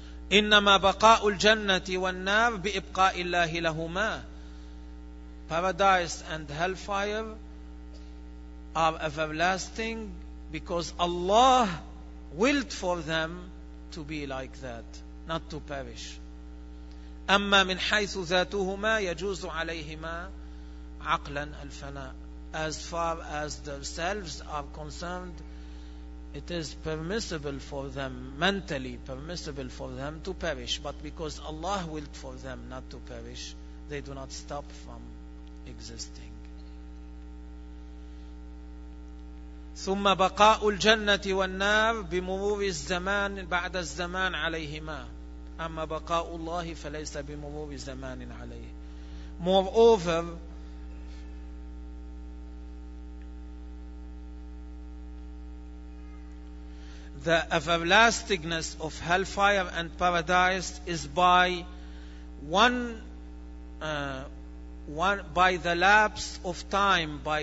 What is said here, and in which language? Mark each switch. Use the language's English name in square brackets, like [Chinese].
[Arabic] إنما بقاء الجنة والنار بإبقاء الله لهما. [English] Paradise and hellfire are everlasting because Allah willed for them to be like that, not to perish. [Arabic] أما من حيث ذاتهما يجوز عليهما عقلا الفناء. [English] As far as themselves are concerned, it is permissible for them, mentally permissible for them to perish. But because Allah willed for them not to perish, they do not stop from existing. [Arabic] ثم بقاء الجنة والنار بمرور الزمان بعد الزمان عليهما. أما بقاء الله فليس بمرور زمان عليه. [English] Moreover, the everlastingness of hellfire and paradise is by the lapse of time,